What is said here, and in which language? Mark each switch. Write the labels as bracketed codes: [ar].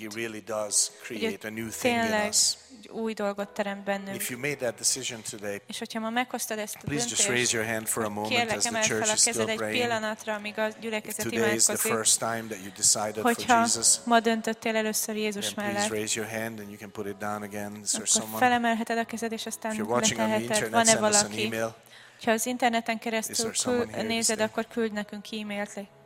[en] He really does create a new thing in us. [hu] Új dolgot teremt bennünk. [en] If you made that decision today. [hu] És hogyha ma meghoztad ezt a döntést. [en] Please just raise your hand for a moment as the church is still praying. [hu] Kérlek, emelj fel a kezed egy pillanatra, amíg a gyülekezet imádkozik. [en] Today is the first time that you decided for Jesus. [hu] Hogyha ma döntöttél először Jézus mellett. [en] Please raise your hand and you can put it down again. Is there someone? [hu] Felemelheted a kezed, és aztán leteheted. Van-e valaki? Ha az interneten keresztül nézed, akkor küld nekünk e-mailt.